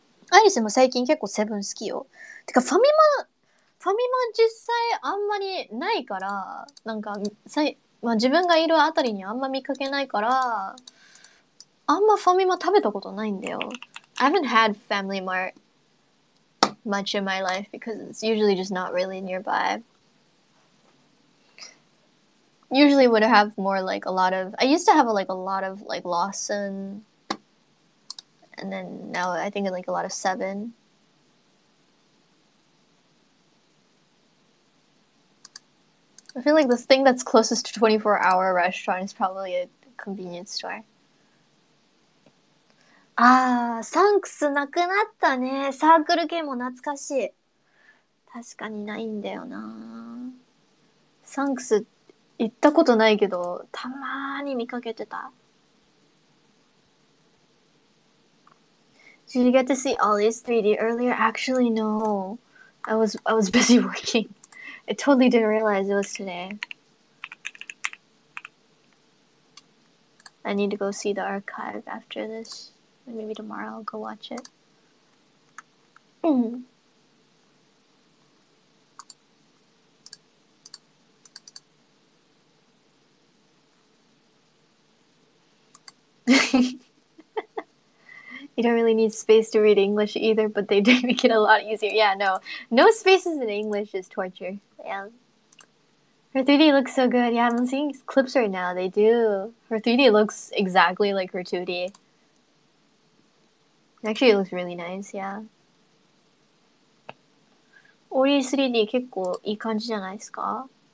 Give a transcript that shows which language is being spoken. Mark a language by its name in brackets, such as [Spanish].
[Japanese] アリスも最近結構セブン好きよ。てかファミマ実際あんまりないから、なんか、まあ、自分がいるあたりにあんま見かけないから、あんまファミマ食べたことないんだよ。 [English] I haven't had Family Mart much in my life because it's usually just not really nearby. Usually would have more like a lot of, I used to have like a lot of like Lawson and then now I think like a lot of Seven. I feel like the thing that's closest to 24-hour restaurant is probably a convenience store. [Japanese] Ah, サンクスなくなったね。サークル系も懐かしい。確かにないんだよな。サンクス行ったことないけど、たまーに見かけてた。 [English] Did you get to see Ollie's 3D earlier? Actually, no. I was busy working. I totally didn't realize it was today. I need to go see the archive after this. Maybe tomorrow I'll go watch it. You don't really need space to read English either, but they did make it a lot easier. Yeah, no. No spaces in English is torture. Yeah. Her 3D looks so good. Yeah, I'm seeing clips right now. They do. Her 3D looks exactly like her 2D. Actually, it looks really nice, yeah. [Japanese] Ori 3D 結構いい感じじゃないですか?